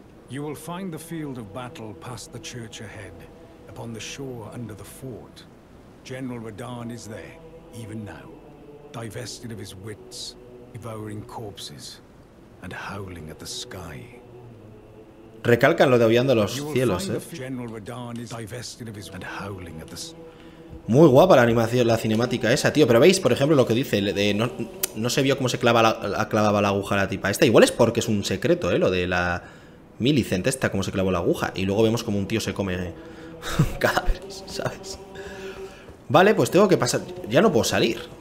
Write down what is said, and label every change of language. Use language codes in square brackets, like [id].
[en] You will find the field of battle past the church ahead, upon the shore under the fort. General Redan is there, even now, divested of his wits, devouring corpses, and howling at the sky. [es] Recalcan lo de aullando los cielos, ¿eh? [en] General Redan is divested of his wits, and howling at the sky. [es] Muy guapa la animación, la cinemática esa, tío. Pero veis, por ejemplo, lo que dice de no se vio cómo se clavaba la aguja a la tipa esta. Igual es porque es un secreto, lo de la Millicent esta, cómo se clavó la aguja. Y luego vemos como un tío se come cadáveres, ¿sabes? Vale, pues tengo que pasar. Ya no puedo salir.